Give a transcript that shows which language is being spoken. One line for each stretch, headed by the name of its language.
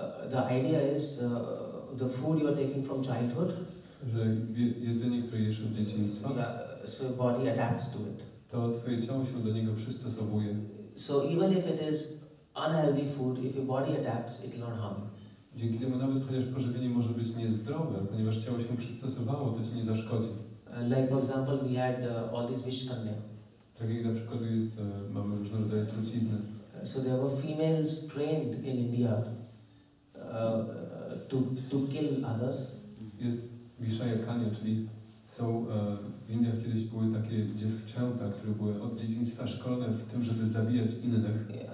English: The idea is the food you are taking from childhood.
Polish: Że jedzenie, które jesz od dzieciństwa.
English: So your body adapts to it.
Polish: To twoje ciało się do niego przystosowuje.
English: So even if it is unhealthy food, if your body adapts, it will not harm you.
Polish: Dzięki temu nawet chociaż pożywienie może być niezdrowe, ponieważ ciało się przystosowało, to ci nie zaszkodzi.
English: Like for example, we had all these vishkanya.
Polish: Tak jak na przykład jest, mamy różne rodzaje trucizny.
English: So there were females trained in India to kill others.
Polish: Jest vishayakanya, czyli są w Indiach kiedyś były takie dziewczęta, które były od dzieciństwa szkolone w tym, żeby zabijać innych.